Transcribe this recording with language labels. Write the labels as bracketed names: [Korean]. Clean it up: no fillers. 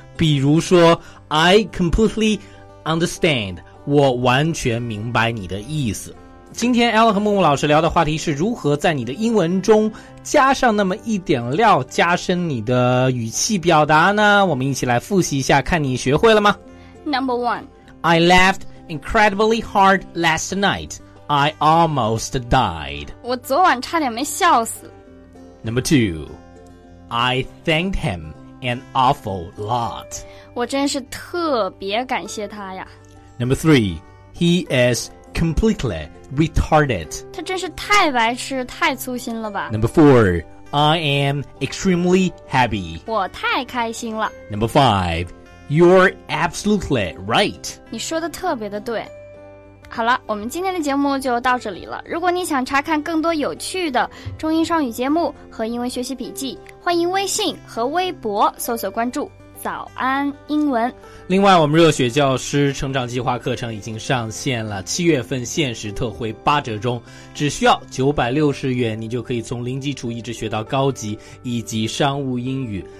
[Chinese] 比如说 [English] I completely understand, [Chinese] 我完全明白你的意思。今天 Alan 和木木老师聊的话题是如何在你的英文中加上那么一点料，加深你的语气表达呢？我们一起来复习一下，看你学会了吗？ [English] Number one, I laughed incredibly hard last night. I almost died. [Chinese] 我昨晚差点没笑死。 [English] Number two, I thanked him an awful lot. [Chinese] 我真是特别感谢他呀。 [English] Number three, he is completely retarded. [Chinese] 他真是太白痴，太粗心了吧。 [English] Number four, I am extremely happy. [Chinese] 我太开心了。 [English] Number five, you're absolutely right. [Chinese] 你说的特别的对。好了，我们今天的节目就到这里了。如果你想查看更多有趣的中英双语节目和英文学习笔记，欢迎微信和微博搜索关注早安英文。另外，我们热血教师成长计划课程已经上线了，七月份限时特惠八折中，只需要960元，你就可以从零基础一直学到高级以及商务英语。